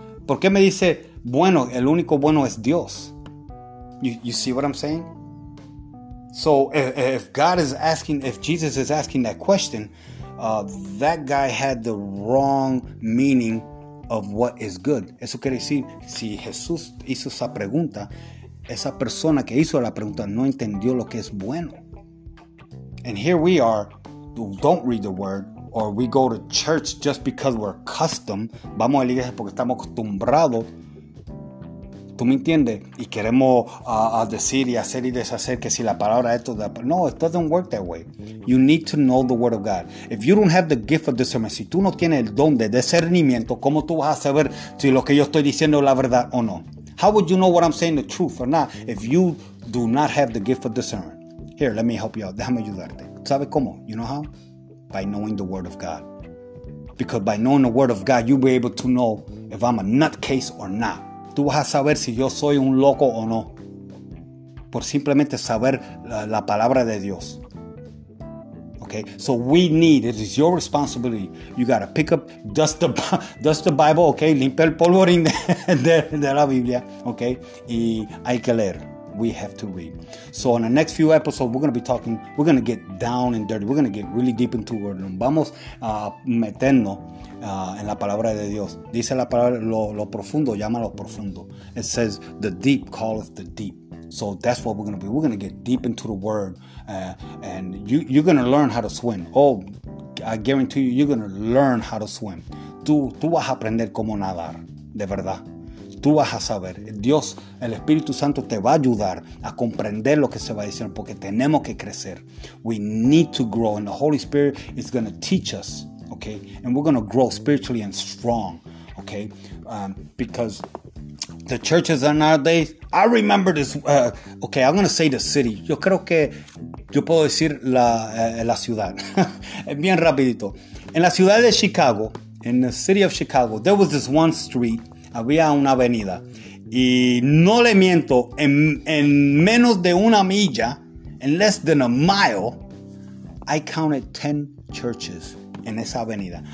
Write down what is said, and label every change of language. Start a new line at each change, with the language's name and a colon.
Spanish: ¿Por qué me dice bueno? El único bueno es Dios.
English: You see what I'm saying? So if God is asking, if Jesus is asking that question, that guy had the wrong meaning of what is good.
Spanish: Eso quiere decir, si Jesús hizo esa pregunta, esa persona que hizo la pregunta no entendió lo que es bueno.
English: And here we are, don't read the word, or we go to church just because we're accustomed.
Spanish: Vamos a la iglesia porque estamos acostumbrados. ¿Tú me entiendes? Y queremos decir y hacer y deshacer que si la palabra esto...
English: No, it doesn't work that way. You need to know the word of God. If you don't have the gift of discernment,
Spanish: si tú no tienes el don de discernimiento, ¿cómo tú vas a saber si lo que yo estoy diciendo es la verdad o no?
English: How would you know what I'm saying the truth or not if you do not have the gift of discernment? Here, let me help you out.
Spanish: Déjame ayudarte. ¿Sabes cómo?
English: You know how? By knowing the word of God. Because by knowing the word of God, you'll be able to know if I'm a nutcase or not.
Spanish: Tú vas a saber si yo soy un loco o no. Por simplemente saber la palabra de Dios. ¿Ok?
English: Okay, so we need, it is your responsibility. You got to pick up, dust the Bible, okay?
Spanish: Limpia el polvorín de la Biblia, okay? Y hay que leer.
English: We have to read. So on the next few episodes, we're going to be talking, we're going to get down and dirty. We're going to get really deep into the word.
Spanish: Vamos a meternos en la palabra de Dios. Dice la palabra, lo profundo, llama lo profundo.
English: It says, the deep calleth the deep. So that's what we're going to be. We're going to get deep into the word. And you're going to learn how to swim. Oh, I guarantee you, you're going to learn how to swim.
Spanish: Tú vas a aprender cómo nadar, de verdad. Tú vas a saber. Dios, el Espíritu Santo te va a ayudar a comprender lo que se va a decir porque tenemos que crecer.
English: We need to grow and the Holy Spirit is going to teach us, okay? And we're going to grow spiritually and strong, okay? Because the churches are nowadays, I remember this, okay, I'm going to say the city.
Spanish: Yo creo que yo puedo decir la ciudad. Bien rapidito. En la ciudad de Chicago,
English: in the city of Chicago, there was this one street.
Spanish: Había una avenida y no le miento, en menos de una milla, en
English: less than a mile, I counted 10 churches
Spanish: en esa avenida.